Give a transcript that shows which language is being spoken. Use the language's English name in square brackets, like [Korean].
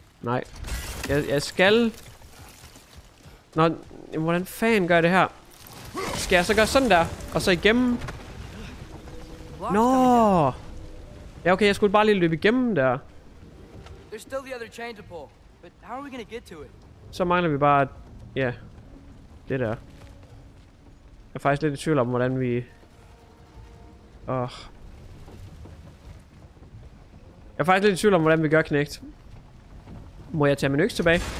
[Danish] Nej. Jeg skal. Nå, hvordan fanden gør jeg det her? Skal jeg så gøre sådan der, og så igennem? Nå! Ja, okay, jeg skulle bare lige løbe igennem der. [English] There's still the other chain to pull, but how are we gonna get to it? [Danish] Så mangler vi bare, ja, det der. Jeg er faktisk lidt i tvivl om, hvordan vi. Jeg er faktisk lidt i tvivl om, hvordan vi gør knægt. Må jeg tage min økse tilbage?